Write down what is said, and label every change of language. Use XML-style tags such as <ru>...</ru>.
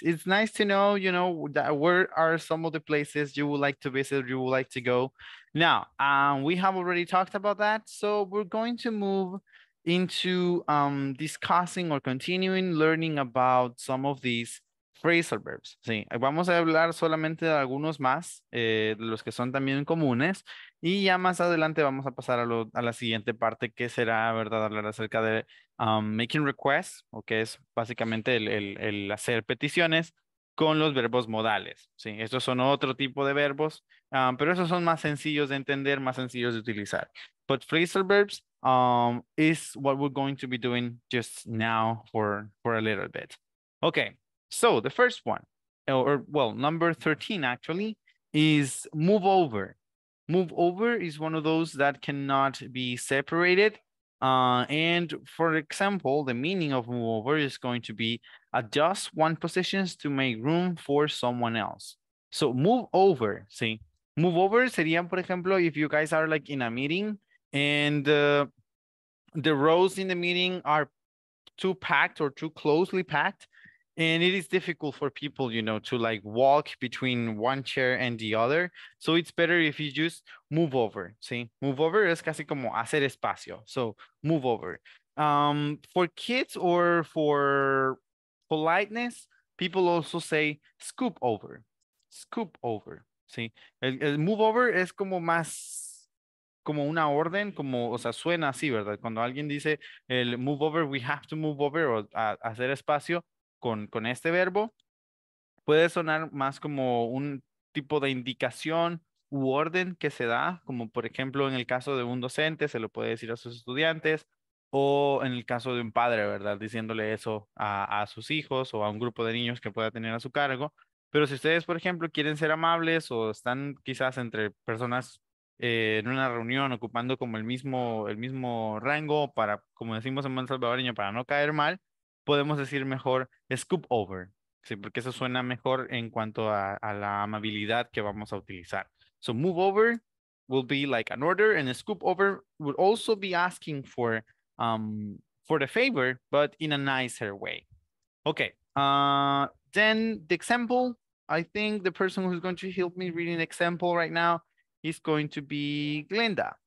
<en>It's nice to know, you know, that where are some of the places you would like to visit, you would like to go. Now, we have already talked about that, so we're going to move into discussing or continuing learning about some of these phrasal verbs.</en> <es>Sí, vamos a hablar solamente de algunos más, de los que son también comunes, y ya más adelante vamos a pasar a la siguiente parte, que será, verdad, hablar acerca de</es> <en>making requests,</en> <es>o que es básicamente el hacer peticiones con los verbos modales. Sí, estos son otro tipo de verbos, pero esos son más sencillos de entender, más sencillos de utilizar.</es> <en>But phrasal verbs is what we're going to be doing just now for a little bit. Okay, so the first one, or number 13 actually, is move over. Move over is one of those that cannot be separated. And for example, the meaning of move over is going to be adjust one position to make room for someone else. So move over, see, move over</en> <es>sería, por ejemplo,</es> <en>if you guys are like in a meeting and the rows in the meeting are too packed or too closely packed, and it is difficult for people, you know, to like walk between one chair and the other. So it's better if you just move over, see? Move over</en> <es>es casi como hacer espacio.</es> <en>So move over. For kids or for politeness, people also say scoop over. Scoop over, see?</en> <es>El move over es como más, como una orden, como, o sea, suena así, ¿verdad? Cuando alguien dice el move over,</es> <en>we have to move over</en> <es>o hacer espacio. Con este verbo, puede sonar más como un tipo de indicación u orden que se da, como por ejemplo en el caso de un docente, se lo puede decir a sus estudiantes, o en el caso de un padre, ¿verdad? Diciéndole eso a sus hijos o a un grupo de niños que pueda tener a su cargo. Pero si ustedes, por ejemplo, quieren ser amables o están quizás entre personas en una reunión ocupando como el mismo rango para, como decimos en buen salvadoreño, para no caer mal, podemos decir mejor scoop over, ¿sí? Porque eso suena mejor en cuanto a la amabilidad que vamos a utilizar.</es> <en>So move over will be like an order, and a scoop over would also be asking for the favor, but in a nicer way. Okay, then the example, I think the person who's going to help me reading the example right now is going to be Glenda.</en>